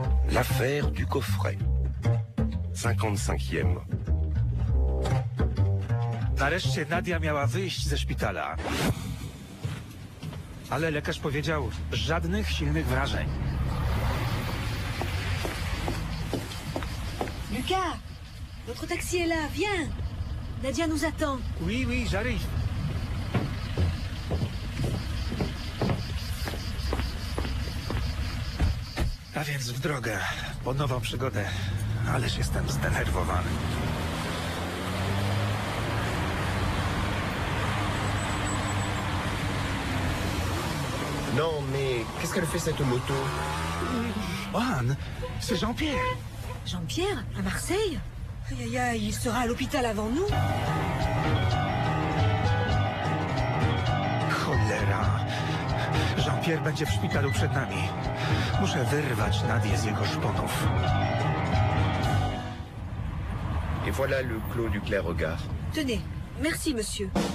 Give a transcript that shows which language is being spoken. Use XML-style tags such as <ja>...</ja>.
<fr>L'affaire du coffret. 55e.</fr> <pl>Nareszcie Nadia miała wyjść ze szpitala. Ale lekarz powiedział, żadnych silnych wrażeń.</pl> <fr>Anka, votre taxi est là, viens. Nadia nous attend. Oui, oui, j'arrive.</fr> <pl>A więc w drogę, po nową przygodę, ależ jestem zdenerwowany.</pl> <fr>Non, mais qu'est-ce qu'elle fait cette moto? Juan, c'est Jean-Pierre. Jean-Pierre, à Marseille? Aïe, aïe, aïe, il sera à l'hôpital avant nous.</fr> <pl>Cholera. Jean-Pierre będzie w szpitalu przed nami. Muszę wyrwać Nadię z jego szponów.</pl> <fr>Et voilà le clos du Clairregard. Tenez, merci, monsieur.</fr>